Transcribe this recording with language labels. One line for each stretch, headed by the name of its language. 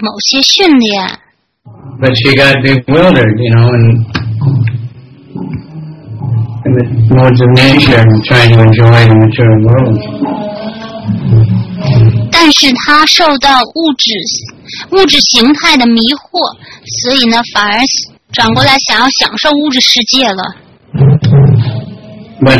Chinese: 因此呢，我们可以猜想她年轻的时候一定得到了某些训练。
English: But she got bewildered, you know, in the modes of nature and trying to enjoy the material world.
Chinese: 但是她受到物质形态的迷惑，所以呢，反而转过来想要享受物质世界了。
English: But